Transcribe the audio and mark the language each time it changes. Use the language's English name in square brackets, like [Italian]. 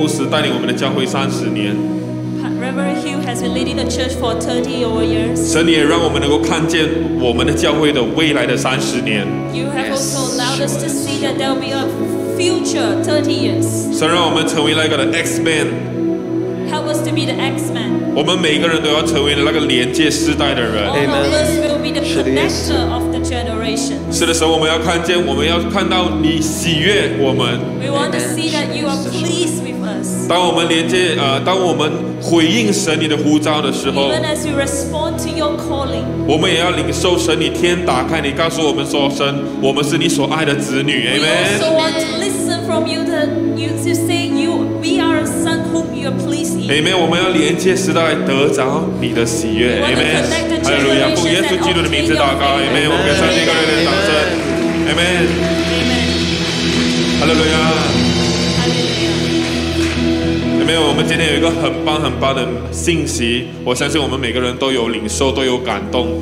[Chinese] 带领我们的教会三十年， [English] Reverend Hugh has been leading the church for 30 over years. [Chinese] 神也让我们能够看见我们的教会的未来的三十年。 [English] You have also allowed us to see that there will be a future 30 years. [Chinese] 神让我们成为那个的 X Man. [English] Help us to be the X Man. [Chinese] 我们每个人都要成为那个连接世代的人。 [English] All of us will be the connector of the generation. [Chinese] 是的，神，我们要看见，我们要看到你喜悦我们。 [English] We want to see that you are pleased. [Chinese] 当我们连接当我们回应神你的呼召的时候， [English] Even as you respond to your calling, [Chinese] 我们也要领受神你天打开，你告诉我们说，神，我们是你所爱的子女。 [English] Amen. We also want to listen from you to say you, we are a son whom you are pleased in. [Chinese] Amen. 我们要连接时代得着你的喜悦。Amen. [English] Hallelujah. [Chinese] 奉耶稣基督的名字祷告。 [English] Amen. [Chinese] 我们给上帝一个热烈的掌声。 [English] Amen. Amen. Hallelujah. [Chinese] 没有，我们今天有一个很棒很棒的信息，我相信我们每个人都有领受，都有感动。